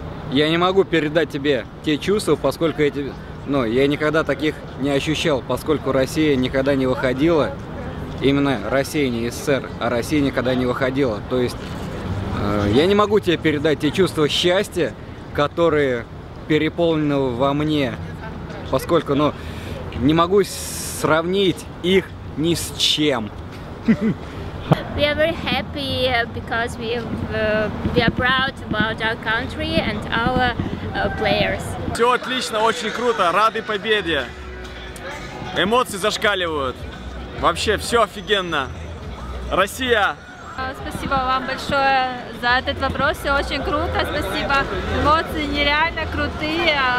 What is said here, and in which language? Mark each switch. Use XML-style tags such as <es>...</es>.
<ru>Я не могу передать тебе те чувства, поскольку эти, ну, я никогда таких не ощущал, поскольку Россия никогда не выходила, именно Россия, не СССР, а Россия никогда не выходила. То есть я не могу тебе передать те чувства счастья, которые переполнены во мне, поскольку, ну, не могу сравнить их ни с чем.</ru> <en>We are very happy because we are proud about our country and our players.</en> <ru>Все отлично, очень круто, рады победе. Эмоции зашкаливают. Вообще все офигенно. Россия! Спасибо вам большое за этот вопрос, все очень круто, спасибо. Эмоции нереально крутые.</ru>